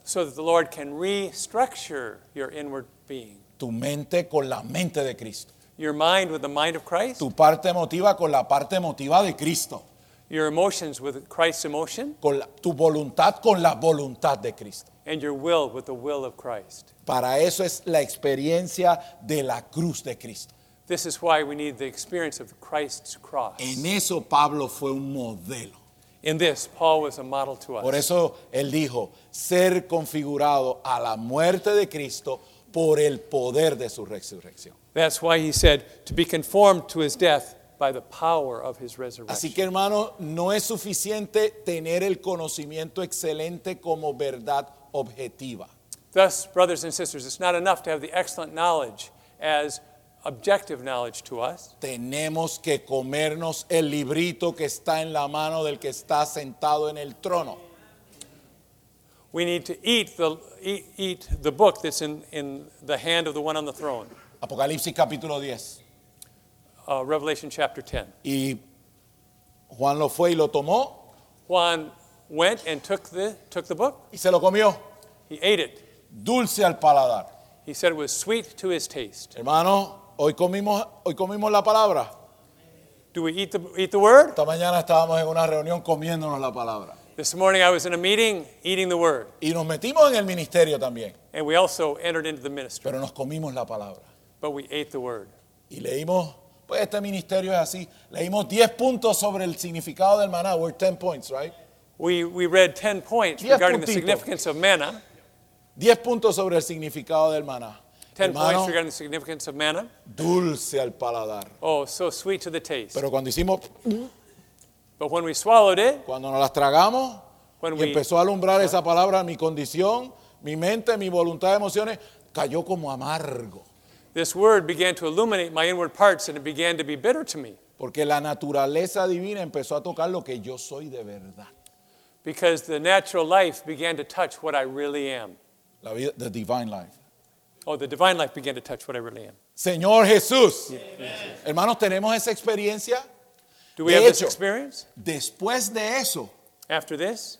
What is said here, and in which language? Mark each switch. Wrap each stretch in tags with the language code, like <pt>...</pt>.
<en>So that the Lord can restructure your inward being.</en> <es>Tu mente con la mente de Cristo.</es> <en>Your mind with the mind of Christ.</en> <es>Tu parte emotiva con la parte emotiva de Cristo.</es> <en>Your emotions with Christ's emotion.</en> <es>Con tu voluntad con la voluntad de Cristo.</es> <en>And your will with the will of Christ.</en> <es>Para eso es la experiencia de la cruz de Cristo.</es> <en>This is why we need the experience of Christ's cross.</en> <es>En eso Pablo fue un modelo.</es> <en>In this, Paul was a model to us.</en> <es>Por eso él dijo, ser configurado a la muerte de Cristo por el poder de su resurrección.</es> <en>That's why he said, to be conformed to his death by the power of his resurrection.</en> <es>Así que hermano, no es suficiente tener el conocimiento excelente como verdad objetiva.</es> <en>Thus, brothers and sisters, it's not enough to have the excellent knowledge as objective knowledge to us.</en> <es>Tenemos que comernos el librito que está en la mano del que está sentado en el trono.</es> <en>We need to eat the book that's in the hand of the one on the throne.</en> <es>Apocalipsis capítulo 10.</es> <en>Revelation chapter 10.</en> <es>Y Juan lo fue y lo tomó.</es> <en>Juan went and took the book.</en> <es>Y se lo comió.</es> <en>He ate it.</en> <es>Dulce al paladar.</es> <en>He said it was sweet to his taste.</en> <es>Hermano, hoy comimos la palabra.</es> <en>Do we eat the word?</en> <es>Esta mañana estábamos en una reunión comiéndonos la palabra.</es> <en>This morning I was in a meeting eating the word.</en> <es>Y nos metimos en el ministerio también.</es> <en>And we also entered into the ministry.</en> <es>Pero nos comimos la palabra.</es> <en>But we ate the word.</en> <es>Y leímos, pues este ministerio es así. Leímos 10 puntos sobre el significado del maná.</es> <en>We're 10 points, right? We read 10 points regarding</en> <es>puntitos.</es> <en>The significance of manna.</en> <es>10 puntos sobre el significado del maná.</es> <en>10 points regarding the significance of manna.</en> <es>Dulce al paladar.</es> <en>Oh, so sweet to the taste.</en> <es>Pero cuando hicimos...</es> <en>But when we swallowed it.</en> <es>Cuando nos las tragamos. When y empezó a alumbrar esa palabra mi condición, mi mente, mi voluntad, emociones, cayó como amargo.</es> <en>This word began to illuminate my inward parts and it began to be bitter to me.</en> <es>Porque la naturaleza divina empezó a tocar lo que yo soy de verdad.</es> <en>Because the natural life began to touch what I really am.</en> <es>La vida,</es> <en>the divine life. Oh, the divine life began to touch what I really am.</en> <es>Señor Jesús. Amen. Hermanos, ¿tenemos esa experiencia?</es> <en>Do we have this experience?</en> <es>Después de eso,</es> <en>after this,</en>